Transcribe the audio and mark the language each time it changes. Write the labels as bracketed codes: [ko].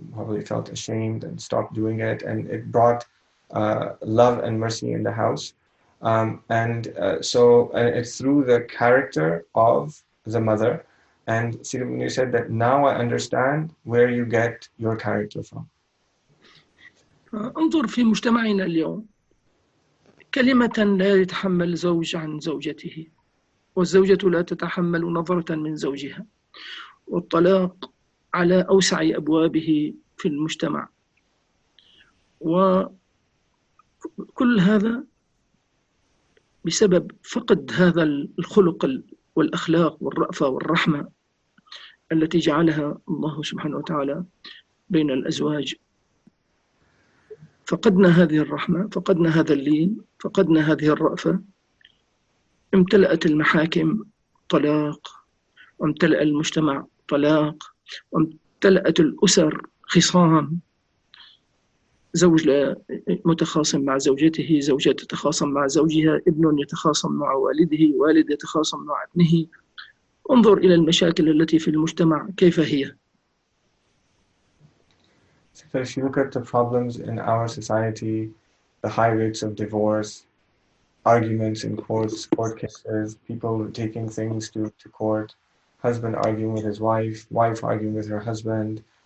[en] Probably felt ashamed and stopped doing it, and it brought love and mercy in the house. And it's through the character of the mother. And Sidi Munir said that now I understand where you get your character from. [ar] انظر في مجتمعنا اليوم، كلمة لا يتحمل زوج عن زوجته، والزوجة لا تتحمل نظرة من زوجها، والطلاق على أوسع أبوابه في المجتمع، وكل هذا بسبب فقد هذا الخلق والأخلاق والرأفة والرحمة التي جعلها الله سبحانه وتعالى بين الأزواج. فقدنا هذه الرحمة، فقدنا هذا اللين، فقدنا هذه الرأفة، امتلأت المحاكم طلاق، وامتلأ المجتمع طلاق، وامتلأت الأسر خصام، زوج لا متخاصم مع زوجته، زوجة تتخاصم مع زوجها، ابن يتخاصم مع والده، والد يتخاصم مع ابنه. انظر إلى المشاكل التي في المجتمع كيف هي. [en] So if you look at the problems in our society, the high rates of divorce, arguments in courts, court cases, people taking things to court, husband arguing with his wife, wife arguing with her husband.